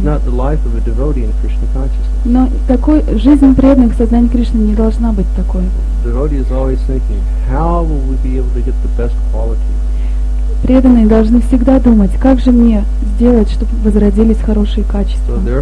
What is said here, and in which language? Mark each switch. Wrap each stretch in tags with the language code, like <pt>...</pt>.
<en>This is not the life of a devotee in Krishna consciousness.</en> <ru>Но такой жизнь преданных сознания Кришны не должна быть такой.</ru> <en>Devotee is always thinking, how will we be able to get the best quality?</en> <ru>Преданные должны всегда думать, как же мне сделать, чтобы возродились хорошие качества.</ru>